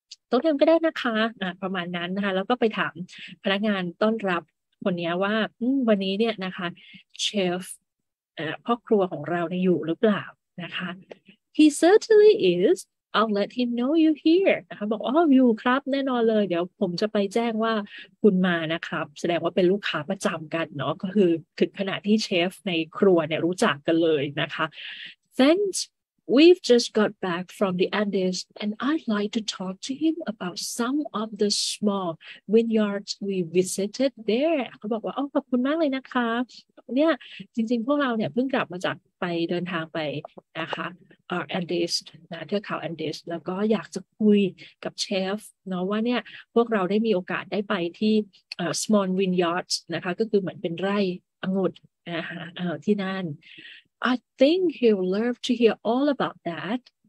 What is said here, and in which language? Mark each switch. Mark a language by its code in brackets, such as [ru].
[th] ต้นเดิมก็ได้นะคะประมาณนั้นนะคะแล้วก็ไปถามพนักงานต้อนรับคนนี้ว่าวันนี้เนี่ยนะคะเชฟพ่อครัวของเราอยู่หรือเปล่านะคะ [en] He certainly is. I'll let him know you here. [th] นะคะบอกอ๋ออยู่ครับแน่นอนเลยเดี๋ยวผมจะไปแจ้งว่าคุณมานะครับแสดงว่าเป็นลูกค้าประจำกันเนาะก็คือถึงขนาดที่เชฟในครัวเนี่ยรู้จักกันเลยนะคะ [en] Thanks We've just got back from the Andes, and I'd like to talk to him about some of the small vineyards we visited there. [th] เขาบอกว่าขอบคุณมากเลยนะคะเนี่ยจริงๆพวกเราเนี่ยเพิ่งกลับมาจากไปเดินทางไปนะคะแอนเดสนะเทือกเขาแอนเดสแล้วก็อยากจะคุยกับเชฟเนาะว่าเนี่ยพวกเราได้มีโอกาสได้ไปที่small vineyards นะคะก็คือเหมือนเป็นไร่องุ่นนะคะที่นั่น [en] I think he'll love to hear all about that.